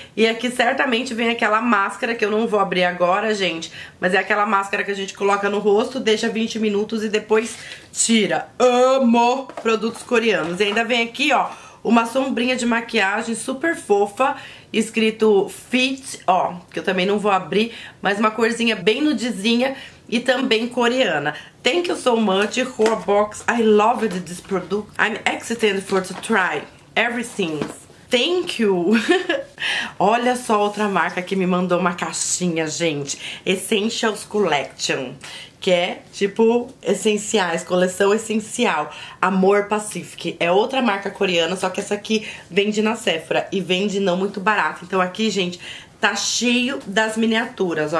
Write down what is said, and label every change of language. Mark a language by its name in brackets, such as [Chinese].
[Portuguese] E aqui certamente vem aquela máscara que eu não vou abrir agora, gente, mas é aquela máscara que a gente coloca no rosto, deixa 20 minutos e depois tira. Amo produtos coreanos. E ainda vem aqui, ó, uma sombrinha de maquiagem super fofa, escrito Fit, ó, que eu também não vou abrir, mas uma corzinha bem nudezinha e também coreana. [English] Thank you so much, Hua Box. I loved this product. I'm excited for to try everything. Thank you. [Portuguese] Olha só outra marca que me mandou uma caixinha, gente. Essentials Collection. Que é, tipo, essenciais, coleção essencial. Amor Pacific. É outra marca coreana, só que essa aqui vende na Sephora. E vende não muito barato. Então aqui, gente, tá cheio das miniaturas.